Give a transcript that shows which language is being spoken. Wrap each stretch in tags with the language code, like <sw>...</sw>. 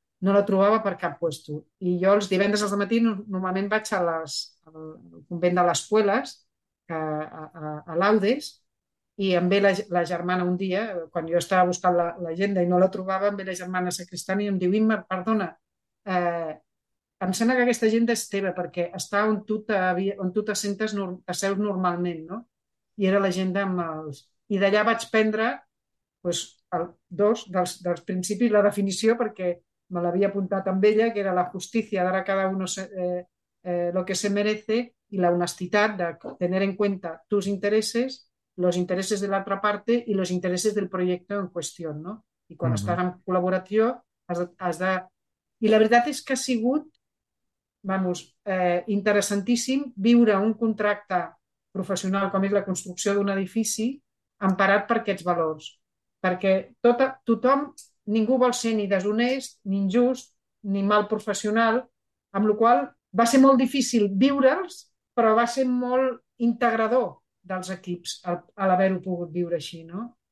<ca>No la trobava per cap puesto. I jo els divendres al matí normalment vaig al convent de les Puelas, a Laudes, i em ve la germana un dia, quan jo estava buscant l'agenda i no la trobava, em ve la germana sacristana i em diu, Imma, perdona, em sembla que aquesta agenda és teva perquè està on tu t'asseus normalment, no? I era l'agenda amb els... I d'allà vaig prendre doncs, dos dels principis, la definició, perquè me l'havia apuntat amb ella, que era la justícia,</ca> <es>dar a cada uno lo que se merece y la honestidad de tener en cuenta tus intereses, los intereses de la otra parte y los intereses del proyecto en cuestión, ¿no? Y cuando estás en colaboración, Y la verdad es que</es> <ca>ha sigut, vamos, interessantíssim viure un contracte professional com és la construcció d'un edifici emparat per aquests valors. Perquè tothom, ningú vol ser ni deshonest, ni injust, ni mal professional, amb la qual cosa va ser molt difícil viure'ls, però va ser molt integrador dels equips a l'haver-ho pogut viure així, no?</ca>